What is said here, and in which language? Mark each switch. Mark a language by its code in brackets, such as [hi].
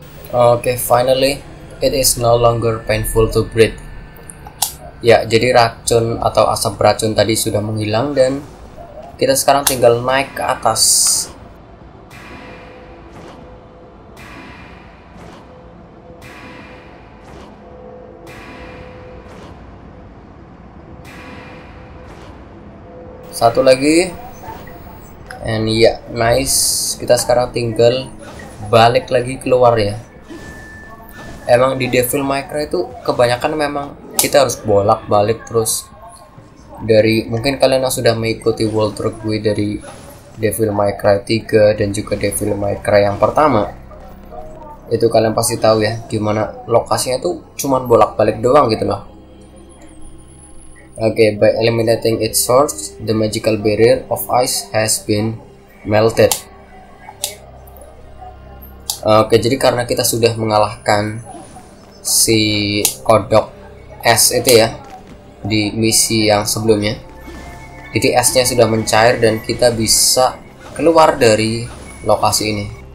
[en] Okay, finally, it is no longer painful to breathe. [id] Ya, jadi racun atau asap beracun tadi sudah menghilang dan kita sekarang tinggal naik ke atas. satu lagi. [en] And yeah, nice. [id] Kita sekarang tinggal balik lagi keluar ya. Emang di Devil May Cry itu kebanyakan memang kita harus bolak-balik terus. Dari mungkin kalian yang sudah mengikuti world tour gue dari Devil May Cry 3 dan juga Devil May Cry yang pertama, itu kalian pasti tahu ya, gimana lokasinya tuh cuman bolak-balik doang gitu loh. [en] Okay, by eliminating its source, the magical barrier of ice has been melted. [id] Okay, jadi karena kita sudah mengalahkan si kodok es itu ya di misi yang sebelumnya, jadi esnya sudah mencair dan kita bisa keluar dari lokasi ini.